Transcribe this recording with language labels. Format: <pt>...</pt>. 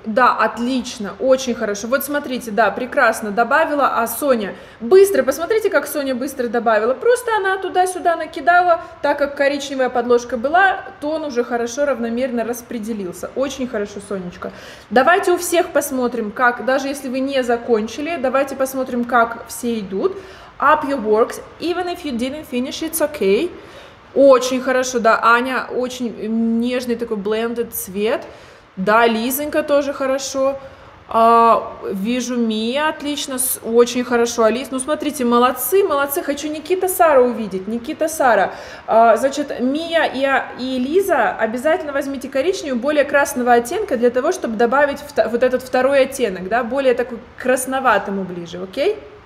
<ru>Да, отлично, очень хорошо, вот смотрите, да, прекрасно, добавила, а Соня быстро, посмотрите, как Соня быстро добавила, просто она туда-сюда накидала, так как коричневая подложка была, тон уже хорошо равномерно распределился, очень хорошо, Сонечка. Давайте у всех посмотрим, как, даже если вы не закончили, давайте посмотрим, как все идут.</ru> <en>Up your works, even if you didn't finish, it's okay.</en> <ru>Очень хорошо, да, Аня, очень нежный такой blended цвет. Да, Лизонька тоже хорошо. Вижу Мия, отлично, очень хорошо, Алис. Ну, смотрите, молодцы, молодцы, хочу Никита, Сара увидеть, Никита, Сара. Значит, Мия и Лиза, обязательно возьмите коричневый, более красного оттенка, для того, чтобы добавить вот этот второй оттенок, да, более такой красноватому ближе, окей?</ru>